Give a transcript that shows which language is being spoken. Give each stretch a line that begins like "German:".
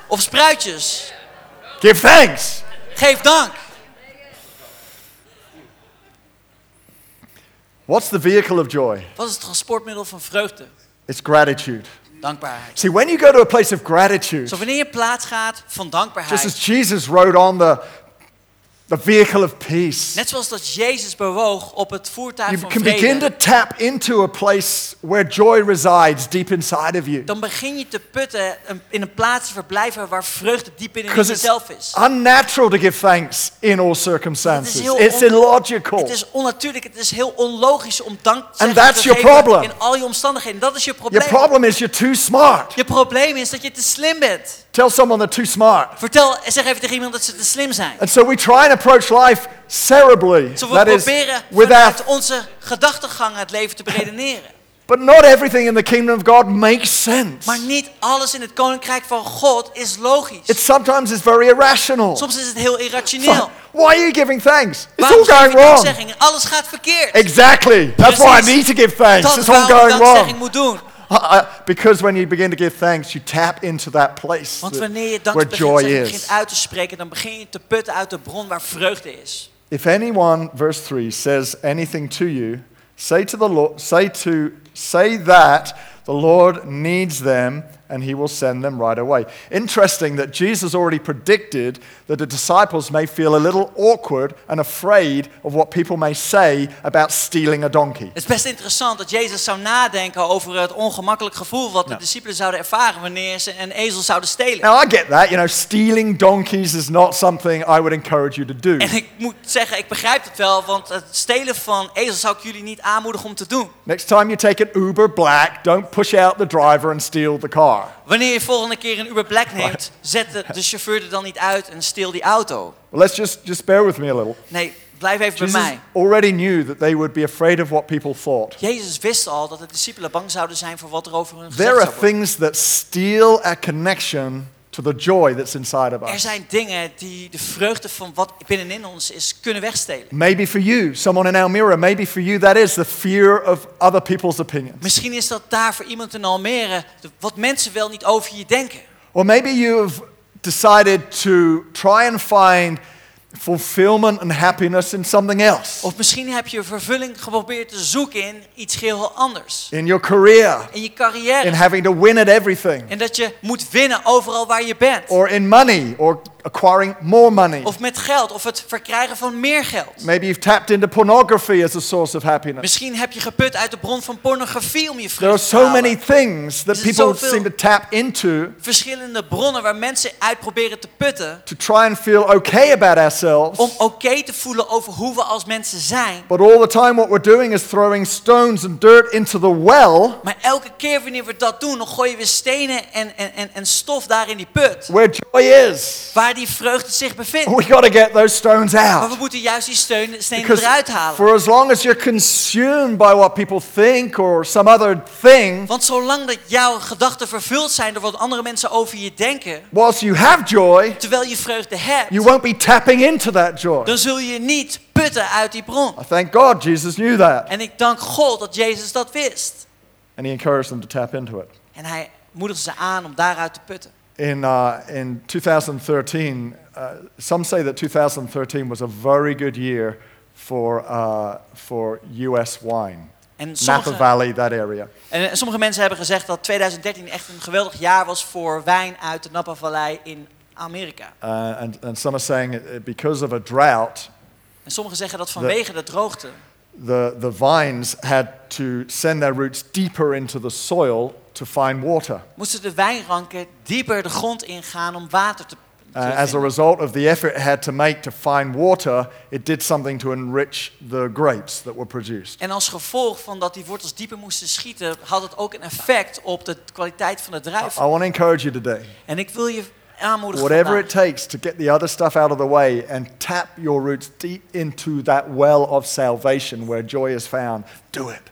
Dutch: Of spruitjes.
English: Give thanks.
Dutch: Geef dank.
English: What's the vehicle of joy?
Dutch: Wat is het transportmiddel van vreugde?
English: It's gratitude.
Dutch: Dankbaarheid.
English: See, when you go to a place of gratitude.
Dutch: Zo wanneer je plaats gaat van dankbaarheid.
English: Just as Jesus rode on the vehicle of peace.
Dutch: Net zoals dat Jezus bewoog op het voertuig van vrede.
English: You can begin to tap into a place where joy resides deep inside of you.
Dutch: Dan begin je te putten in een plaats te verblijven waar vreugde diep in jezelf is.
English: It's unnatural to give thanks in all circumstances. It's illogical.
Dutch: Het is onnatuurlijk. Het is heel onlogisch om dank te zeggen.
English: And that's your problem.
Dutch: In al je omstandigheden. Dat is je probleem.
English: Your problem is you're too smart.
Dutch: Je probleem is dat je te slim bent.
English: Tell someone they're too smart.
Dutch: Vertel, zeg even tegen iemand dat ze te slim zijn.
English: And so we try and approach life cerebrally.
Dutch: Zo we proberen vanuit onze gedachtegang het leven te beredeneren.
English: But not everything in the kingdom of God makes sense.
Dutch: Maar niet alles in het koninkrijk van God is logisch.
English: It sometimes is very irrational.
Dutch: Soms is het heel irrationeel.
English: Why are you giving thanks? It's
Dutch: waarom
English: all going wrong.
Dutch: Alles gaat verkeerd.
English: Exactly. That's why I need to give thanks. It's all going wrong.
Dutch: Moet doen.
English: Because when you begin to give thanks, you tap into that place where joy is.
Dutch: Begint uit te spreken, dan begin je te putten uit de bron waar vreugde is.
English: If anyone, verse 3, says anything to you, say that the Lord needs them and he will send them right away. Interesting that Jesus already predicted that the disciples may feel a little awkward and afraid of what people may say about stealing a donkey.
Dutch: Het is best interessant dat Jezus zou nadenken over het ongemakkelijk gevoel wat de discipelen zouden ervaren wanneer ze een ezel zouden stelen.
English: Now I get that, you know, stealing donkeys is not something I would encourage you to do.
Dutch: En ik moet zeggen, ik begrijp het wel, want het stelen van ezels zou ik jullie niet aanmoedigen om te doen.
English: Next time you take an Uber Black, don't push out the driver and steal the car.
Dutch: Wanneer je volgende keer een Uber Black neemt, zet de chauffeur er dan niet uit en steel die auto.
English: Well, let's just bear with me a little.
Dutch: Nee, blijf even Jesus bij mij.
English: Already knew that they would be afraid of what people thought.
Dutch: Jezus wist al dat de discipelen bang zouden zijn voor wat er over hun gezegd
English: There are
Dutch: zou worden.
English: Things that steal a connection to the joy that's inside of us.
Dutch: Er zijn dingen die de vreugde van wat binnenin ons is kunnen wegstelen.
English: Maybe for you, someone in Almere, maybe for you that is the fear of other people's opinions.
Dutch: Misschien is dat daar voor iemand in Almere wat mensen wel niet over je denken.
English: Or maybe you've decided to try and find fulfillment and happiness in something else.
Dutch: Of misschien heb je vervulling geprobeerd te zoeken in iets heel anders.
English: In your career.
Dutch: In je carrière.
English: In having to win at everything.
Dutch: En dat je moet winnen overal waar je bent.
English: Or in money, acquiring more money.
Dutch: Of met geld, of het verkrijgen van meer geld.
English: Maybe you've tapped into pornography as a source of happiness.
Dutch: Misschien heb je geput uit de bron van pornografie om je vreugde te
English: halen. There are so many things that people seem to tap into.
Dutch: Verschillende bronnen waar mensen uit proberen te putten.
English: To try and feel okay about ourselves.
Dutch: Om okay te voelen over hoe we als mensen zijn.
English: But all the time what we're doing is throwing stones and dirt into the well.
Dutch: Maar elke keer wanneer we dat doen, dan gooien we stenen en stof daar in die put.
English: Where joy is.
Dutch: Waar die vreugde zich bevindt.
English: We gotta get those stones out.
Dutch: Maar we moeten juist die stenen eruit halen.
English: For as long as you're consumed by what people think or some other thing.
Dutch: Want zolang dat jouw gedachten vervuld zijn door wat andere mensen over je denken.
English: Whilst you have joy.
Dutch: Terwijl je vreugde hebt.
English: You won't be tapping into that joy.
Dutch: Dan zul je niet putten uit die bron.
English: I thank God Jesus knew that.
Dutch: En ik dank God dat Jezus dat wist.
English: And he encouraged them to tap into it.
Dutch: En hij moedigde ze aan om daaruit te putten.
English: In 2013, some say that 2013 was a very good year for US wine. Napa Valley, that area.
Dutch: En sommige mensen hebben gezegd dat 2013 echt een geweldig jaar was voor wijn uit de Napa Valley in Amerika.
English: And some are saying because of a drought.
Dutch: En sommigen zeggen dat vanwege de droogte.
English: The vines had to send their roots deeper into the soil to find water.
Dutch: Moesten de wijnranken dieper de grond ingaan om water te vinden.
English: As a result of the effort it had to make to find water, it did something to enrich the grapes that were produced.
Dutch: En als gevolg van dat die wortels dieper moesten schieten, had het ook een effect op de kwaliteit van de druiven.
English: I want to encourage you today.
Dutch: En ik wil je aanmoedigen.
English: Whatever
Dutch: vandaag.
English: It takes to get the other stuff out of the way and tap your roots deep into that well of salvation where joy is found, do it.